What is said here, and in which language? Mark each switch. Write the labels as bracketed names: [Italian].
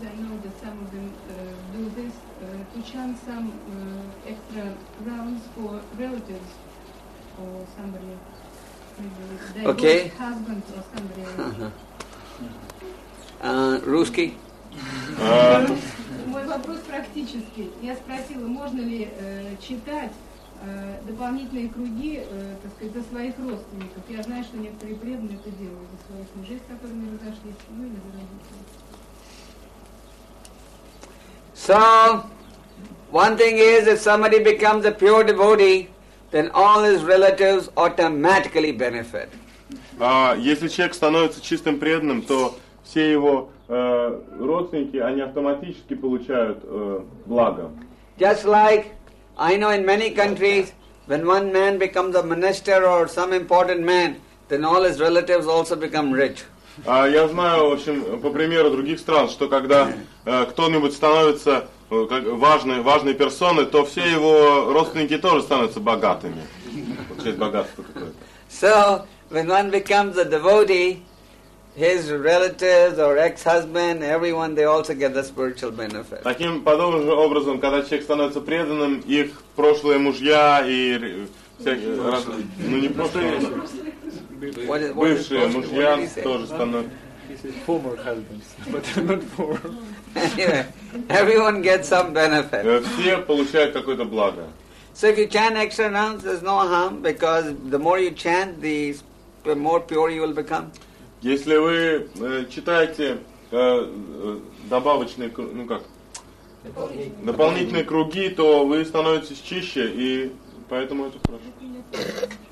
[English] I know that some of them do this to chant some extra rounds for relatives or somebody, maybe their husband or somebody. [Russian] Русский. Мой вопрос практический. Я спросила, можно ли читать дополнительные круги, так сказать, за своих родственников. Я знаю, что некоторые преданные это делают за своих мужей, с которыми разошлись, ну или за родителей. [English] So, one thing is, if somebody becomes a pure devotee, then all his relatives automatically benefit. [Russian] Если человек становится чистым преданным, то все его родственники, они автоматически получают благо. [English] Just like I know in many countries, when one man becomes a minister or some important man, then all his relatives also become rich. [Russian] Я знаю, в общем, по примеру других стран, что когда кто-нибудь становится важной персоной, то все его родственники тоже становятся богатыми. Часть богатства какое-то. [English] So, when one becomes a devotee, his relatives or ex-husband, everyone, they also get the spiritual benefit. [Russian] Таким подобным же образом, когда человек становится преданным, их прошлые мужья и всякие, ну не просто бывшие мужья тоже становятся. [English] Former husbands, but not former. Anyway, everyone gets some benefit. [Russian] Все получают какое-то благо. [English] So if you chant extra rounds, there's no harm, because the more you chant, the more pure you will become. [Russian] Если вы читаете добавочные, ну как, дополнительные круги, то вы становитесь чище, и поэтому это хорошо.